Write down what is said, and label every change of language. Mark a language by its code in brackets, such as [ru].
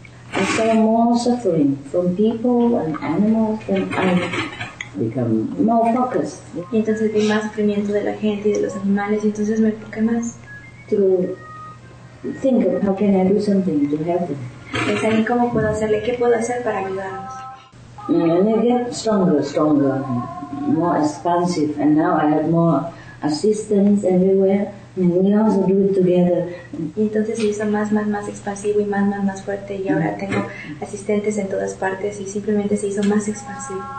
[en] I saw more suffering from people and animals, and I become more focused. [es] Y entonces vi más sufrimiento de la gente y de los animales, y entonces me enfoqué más. [en] To think of how can I do something to help them. [es] Pensar en cómo puedo hacerle, qué puedo hacer para ayudarlos. [en] And I get stronger, more expansive, and now I have more assistance everywhere. We also do it together. [es] Y entonces hizo más expansivo y más fuerte, y ahora tengo asistentes en todas partes y simplemente se hizo más expansivo.